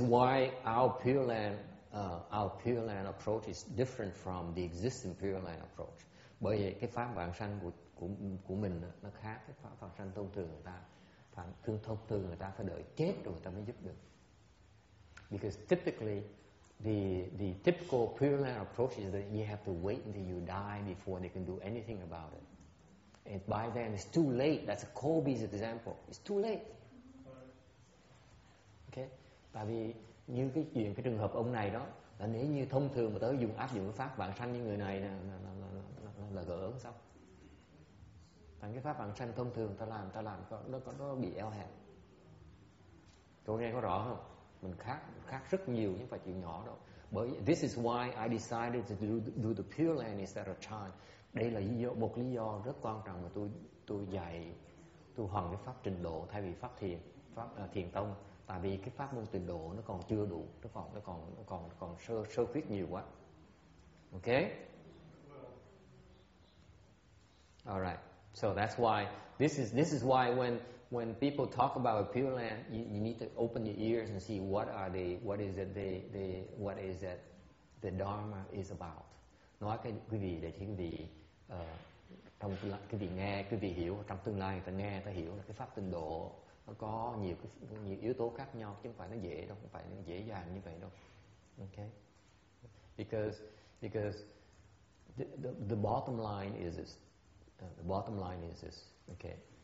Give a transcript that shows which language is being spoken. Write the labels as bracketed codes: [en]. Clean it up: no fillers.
[en] why our Pure Land approach is different from the existing Pure Land approach. [vi] Bởi vì cái pháp vãng sanh của mình nó khác cái pháp vãng sanh thông thường người ta. Phản thương thông thường người ta phải đợi chết rồi người ta mới giúp được. [en] Because typically the typical preliminary approach is that you have to wait until you die before they can do anything about it. And by then it's too late. That's a Kobe's example. It's too late. Okay. [vi] Tại vì như cái chuyện cái trường hợp ông này đó là nếu như thông thường mà tới dùng áp dụng pháp vãng sanh như người này là gỡ xong. Còn cái pháp vãng sanh thông thường ta làm nó bị eo hẹp. Tôi nghe có rõ không? Mình khác rất nhiều những phải chuyện nhỏ đâu. [en] Bởi this is why I decided to do the Pure Land instead of Chan. [vi] Đây là một lý do rất quan trọng mà tôi dạy, tôi hoàn cái pháp trình độ thay vì pháp thiền, pháp thiền tông. Tại vì cái pháp môn trình độ nó còn chưa đủ, nó còn sơ khuyết nhiều quá. [en] Ok. Alright. So that's why this is why when people talk about a Pure Land, you need to open your ears and see what is it the Dharma is about. [vi] Nói cái quý vị để quý vị trong tương lai, quý vị nghe, quý vị hiểu trong tương lai, người ta nghe, người ta hiểu là cái pháp tinh độ nó có nhiều yếu tố khác nhau, chứ không phải nó dễ đâu, không phải nó dễ dàng như vậy đâu. [en] Okay. Because the bottom line is this. Okay.